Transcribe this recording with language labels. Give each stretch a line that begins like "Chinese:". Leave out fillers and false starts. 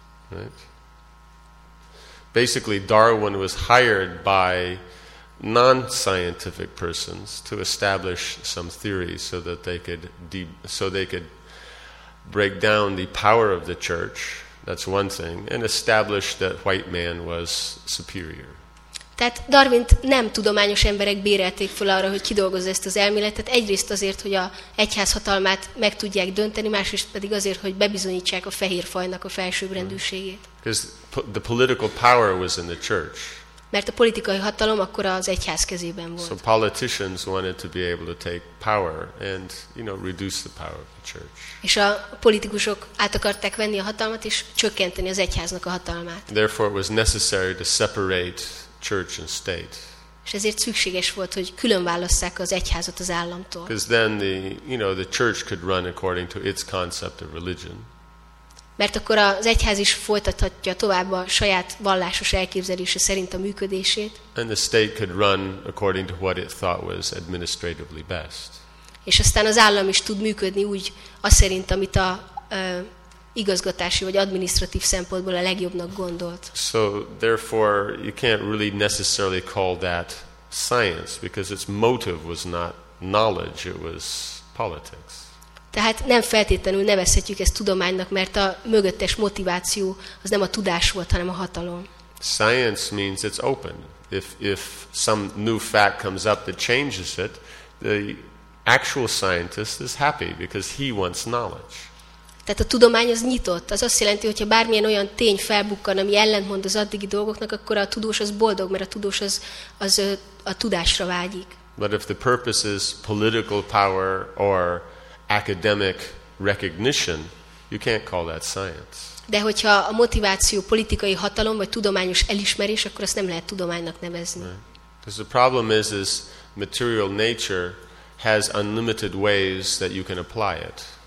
English: Right. Basically, Darwin was hired by non-scientific persons to establish some theories so that they could break down the power of the church. That's one thing, and establish that white man was superior.
Hungarian: Tehát Darwint nem tudományos emberek bérelték fel arra, hogy kidolgozza ezt az elméletet. Egyrészt azért, hogy a egyház hatalmát meg tudják dönteni, másrészt pedig azért, hogy bebizonyítsák a fehér fajnak a felsőbbrendűségét.
English: Because the political power was in the church.
Hungarian: Mert a politikai hatalom akkor az egyház kezében volt.
English: So politicians wanted to be able to take power and, you know, reduce the power of the church.
Hungarian: És a politikusok át akarták venni a hatalmat és csökkenteni az egyháznak a hatalmát.
English: Therefore it was necessary to separate church and state.
Hungarian: És ezért szükséges volt, hogy külön válasszák az egyházat az államtól.
English: Because then the, you know, the church could run according to its concept of religion.
Hungarian: Mert akkor az egyház is folytathatja tovább a saját vallásos elképzelése szerint a működését.
English: And the state could run according to what it thought was administratively best.
Hungarian: És aztán az állam is tud működni úgy, aszerint, amit a igazgatási vagy adminisztratív szempontból a legjobbnak gondolt.
English: So therefore you can't really necessarily call that science because its motive was not knowledge, it was politics.
Hungarian: Tehát nem feltétlenül nevezhetjük ezt tudománynak, mert a mögöttes motiváció az nem a tudás volt, hanem a hatalom.
English: Science means it's open. If some new fact comes up that changes it, the actual scientist is happy because he wants knowledge.
Hungarian: Tehát a tudomány az nyitott. Az azt jelenti, hogyha bármilyen olyan tény felbukkan, ami ellentmond az addigi dolgoknak, akkor a tudós az boldog, mert a tudós az a tudásra vágyik.
English: But if the purpose is political power or academic recognition, you can't call that science.
Hungarian: De hogyha a motiváció politikai hatalom vagy tudományos elismerés, akkor azt nem lehet tudománynak nevezni.
English: Because the problem is material nature has unlimited ways that you can apply it.